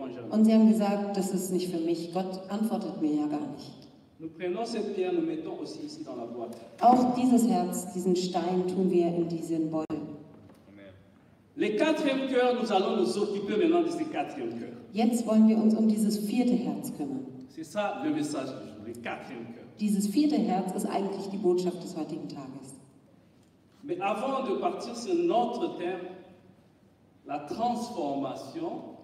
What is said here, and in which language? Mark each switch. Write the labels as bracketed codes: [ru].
[de] Und sie haben gesagt, das ist nicht für mich, Gott antwortet mir ja gar nicht. [fr] Nous prenons cette pierre, nous mettons aussi ici dans la boîte. [de] Auch dieses Herz, diesen Stein, tun wir in diesen Beutel. [fr] Le quatrième cœur, nous allons nous occuper maintenant de ce quatrième cœur. [de] Jetzt wollen wir uns um dieses vierte Herz kümmern. [fr] C'est ça le message du jour, le quatrième cœur. [de] Dieses vierte Herz ist eigentlich die Botschaft des heutigen Tages. [fr] Mais avant de partir sur notre thème, la transformation.